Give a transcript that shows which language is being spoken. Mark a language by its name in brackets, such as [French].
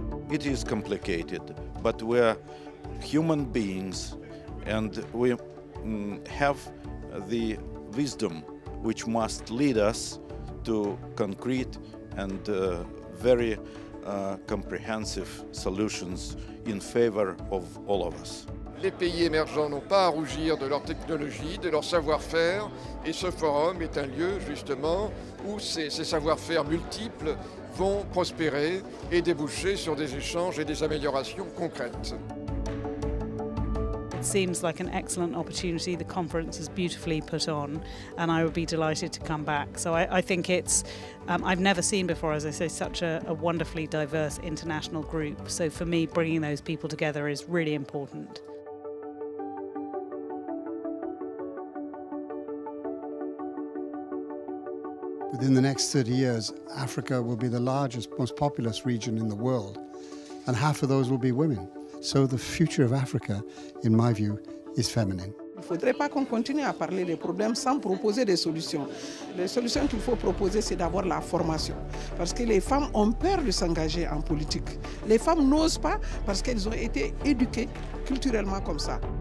[English] It is complicated, but we are human beings, and we have the wisdom which must lead us to concrete and very comprehensive solutions in favor of all of us. [French] Les pays émergents n'ont pas à rougir de leur technologie, de leur savoir-faire, et ce forum est un lieu justement où ces savoir-faire multiples vont prospérer et déboucher sur des échanges et des améliorations concrètes. [English] It seems like an excellent opportunity. The conference is beautifully put on, and I would be delighted to come back. So I think it's, I've never seen before, as I say, such a wonderfully diverse international group. So for me, bringing those people together is really important. Within the next 30 years, Africa will be the largest, most populous region in the world, and half of those will be women. So the future of Africa, in my view, is feminine. [French] Il faudrait pas qu'on continue à parler des problèmes sans proposer des solutions. Les solutions qu'il faut proposer, c'est d'avoir la formation, parce que les femmes ont peur de s'engager en politique. Les femmes n'osent pas parce qu'elles ont été éduquées culturellement comme ça.